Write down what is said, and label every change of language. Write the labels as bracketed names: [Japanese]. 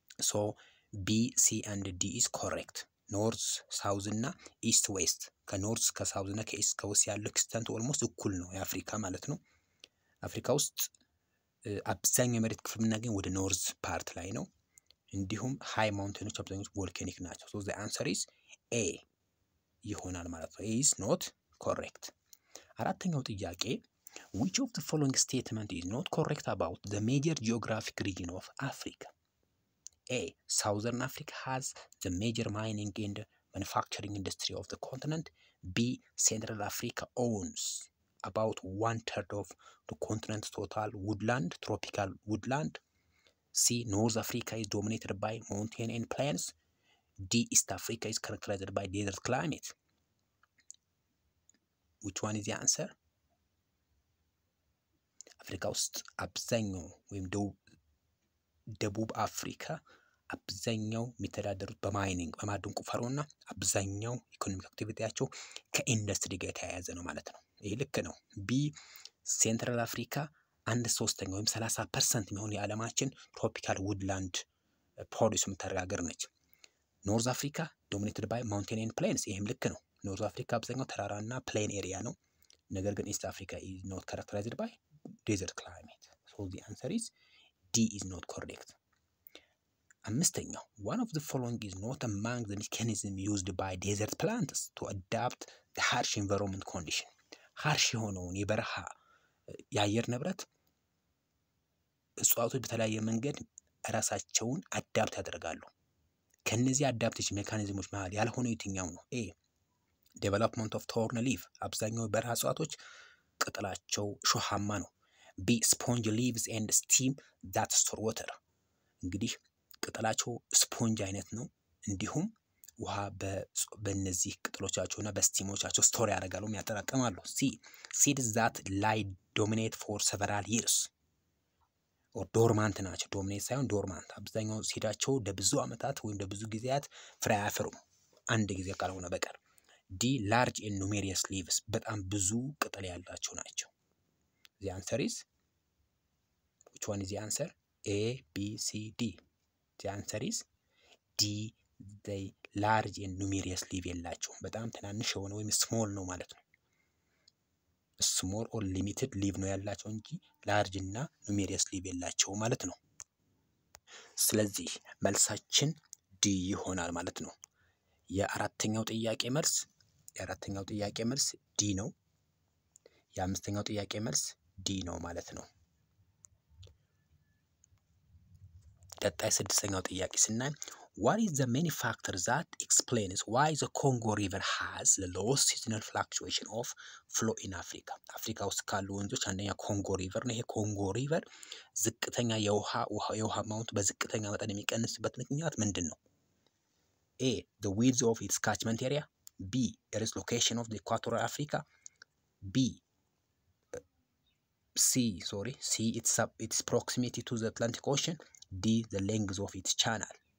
[English] ሶ ቢ ሲ አንድ ዲ ኢስ ኮሬክት። [Amharic] ኖርዝ ሳውዝ እና ኢስት ዌስት፣ ከኖርዝ ከሳውዝ እና ከኢስት ከውስጥ ያለው ኤክስተንት ኦልሞስት እኩል ነው የአፍሪካ ማለት ነው። አፍሪካ ውስጥ አብዛኛው የመሬት ክፍል የምናገኝ ወደ ኖርዝ ፓርት ላይ ነው። እንዲሁም ሃይ ማውንቴኖች አብዛኞቹ ቮልካኒክ ናቸው። [English] ሶ ዘ አንሰር ኢዝ ኤ [Amharic] ይሆናል ማለት ነው። [English] ኢዝ ኖት ኮሬክት። አራተኛው ጥያቄ ዊች ኦፍ ዘ ፎሎዊንግ ስቴትመንት ኢዝ ኖት ኮሬክት አባውት ዘ ሜጀር ጂኦግራፊክ ሪጅን ኦፍ አፍሪካ። ኤ ሳውዘርን አፍሪካ ሃዝ ዘ ሜጀር ማይኒንግ ኤንድ ማኑፋክቸሪንግ ኢንዱስትሪ ኦፍ ዘ ኮንቲነንት። ቢ ሴንትራል አፍሪካ ኦውንስ about one third of the continent's total woodland, tropical woodland. C. North Africa is dominated by mountain and plains. D. East Africa is characterized by desert climate. Which one is the answer? [Amharic] Africa ውስጥ አብዛኛው ወይም ደቡብ አፍሪካ አብዛኛው የሚተዳደሩት በማይኒንግ በማዕድን ቁፋሮ እና አብዛኛው ኢኮኖሚክ አክቲቪቲያቸው ከኢንዱስትሪ ጋር የተያያዘ ነው ማለት ነው። ይህ ልክ ነው። ቢ ሴንትራል አፍሪካ አንድ ሶስተኛ ወይም 30% የሚሆኑ የዓለማችን ትሮፒካል ውድላንድ ፕሮዲስ የምታደርግ ሀገር ነች። [English] ኖርዝ አፍሪካ ዶሚኔትድ ባይ ማውንቴን ኤን ፕሌንስ። [Amharic] ይህም ልክ ነው። ኖርዝ አፍሪካ አብዛኛው ተራራና ፕሌን ኤሪያ ነው። ነገር ግን [English] ኢስት አፍሪካ ኢዝ ኖት ካራክተራይዝድ ባይ ዴዘርት ክላይሜት። ሶ ዚ አንሰር ኢዝ ዲ ኢዝ ኖት ኮሬክት። አምስተኛው, one of the following is not among the mechanisms used by desert plants to adapt the harsh environment condition. [Amharic] harsh የሆነውን የበረሃ የአየር ንብረት እጽዋቶች በተለያየ መንገድ ራሳቸውን አዳፕት ያደርጋሉ. ከነዚህ አዳፕቲቭ ሜካኒዝሞች መሃል ያልሆነው የትኛው ነው? [English] ኤ development of thorn leaf. [Amharic] አብዛኛው የበረሃ እጽዋቶች ቅጠላቸው ሾሃማ ነው. [English] ቢ sponge leaves and steam that store water. [Amharic] እንግዲህ ቅጠላቸው ስፖንጅ አይነት ነው, እንዲሁም ውሃ በነዚህ ቅጠሎቻቸውና በስቲሞቻቸው ስቶር ያደርጋሉ የሚያጠራቅማሉ. [English] ሲ seeds that lie dormant for several years. [Amharic] ኦር ዶርማንት ናቸው, ዶሚኔት ሳይሆን ዶርማንት. አብዛኛው ሲዳቸው ለብዙ አመታት ወይም ለብዙ ጊዜያት ፍሬ አያፈሩም አንድ ጊዜ ካልሆነ በቀር. [English] ዲ ላርጅ ኤንድ ኑሜሪየስ ሊቭስ, [Amharic] በጣም ብዙ ቅጠል ያላቸው ናቸው. [English] ዚ አንሰር ኢዝ ዊች ዋን ኢዝ ዚ አንሰር? ኤ ቢ ሲ ዲ. ዚ አንሰር ኢዝ ዲ, ዘይ ላርጅ ኤንድ ኑሜሪየስ ሊቭ [Amharic] የላቸውም, በጣም ትናንሽ የሆነ ወይም ስሞል ነው ማለት ነው. [English] small or limited leaf [Amharic] ነው ያላቸው እንጂ large እና numerous leaf የላቸው ማለት ነው. ስለዚህ መልሳችን D ይሆናል ማለት ነው. የአራተኛው ጥያቄ መልስ D ነው. የአምስተኛው ጥያቄ መልስ D ነው ማለት ነው. ቀጣይ ስድስተኛው ጥያቄ ስናይ, [English] what is the main factor that explains why the Congo River has the lowest seasonal fluctuation of flow in Africa? [Amharic] አፍሪካ ውስጥ ካሉ ወንዞች አንደኛ ኮንጎ ሪቨር ነው. ይሄ ኮንጎ ሪቨር ዝቅተኛ የውሃ ማውንት በዝቅተኛ መጠን የሚቀንስበት ምክንያት ምንድን ነው? [English] A the width of its catchment area, B its location of the equatorial Africa, C its proximity to the Atlantic Ocean, D the length of its channel.